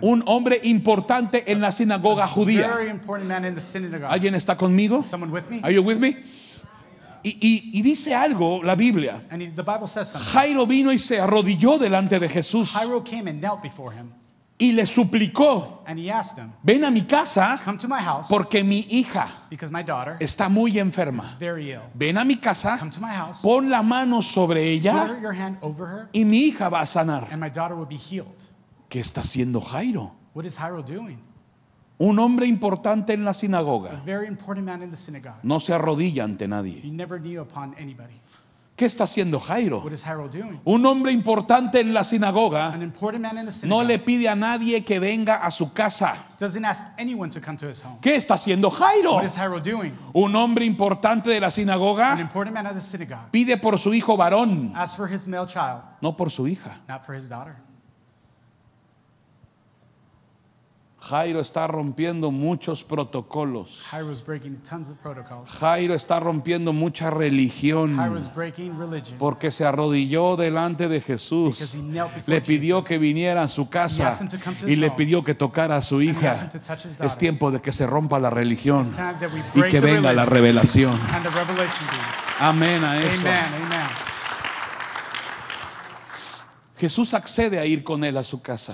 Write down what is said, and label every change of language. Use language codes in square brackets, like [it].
[es] Un hombre importante en la sinagoga judía. [en] A very important man in the synagogue. [es] ¿Alguien está conmigo? [en] Is someone with me? Are you with me? [es] Y dice algo la Biblia. [en] And the Bible says something. [es] Jairo vino y se arrodilló delante de Jesús. [en] Jairo came and knelt before him. [es] Y le suplicó, [en] and he asked him, [es] ven a mi casa, [en] come to my house, [es] porque mi hija, [en] because my daughter, [es] está muy enferma. [en] Is very ill. [es] Ven a mi casa, [en] come to my house, [es] pon la mano sobre ella, [en] put your hand over her, [es] y mi hija va a sanar. [en] And my daughter will be healed. [es] ¿Qué está haciendo Jairo? [en] What is Jairo doing? [es] Un hombre importante en la sinagoga. [en] A very important man in the synagogue. [es] No se arrodilla ante nadie. [en] He never kneel upon anybody. [es] ¿Qué está haciendo Jairo? [en] What is Jairo doing? [es] Un hombre importante en la sinagoga. [en] An important man in the synagogue. [es] No le pide a nadie que venga a su casa. [en] Doesn't ask anyone to come to his home. [es] ¿Qué está haciendo Jairo? [en] What is Jairo doing? [es] Un hombre importante de la sinagoga. [en] An important man of the synagogue. [es] Pide por su hijo varón. [en] Ask for his male child. [es] No por su hija. [en] Not for his daughter. [es] Jairo está rompiendo muchos protocolos. [en] Jairo is breaking tons of protocols. [es] Jairo está rompiendo mucha religión. [en] Jairo is breaking religion. [es] Porque se arrodilló delante de Jesús. [en] Because he knelt before [es] le pidió [en] Jesus. [es] Que viniera a su casa. [en] He asked him to come to his [es] y [en] home. [es] Le pidió que tocara a su [en] and [es] hija. [en] He asked him to touch his daughter. [es] Es tiempo de que se rompa la religión. [en] It's time that we break [es] y que [en] the [es] venga [en] religion [es] la revelación. [en] And the revelation be. [es] Amén a eso. [en] Amen, amen. [es] Jesús accede a ir con él a su casa.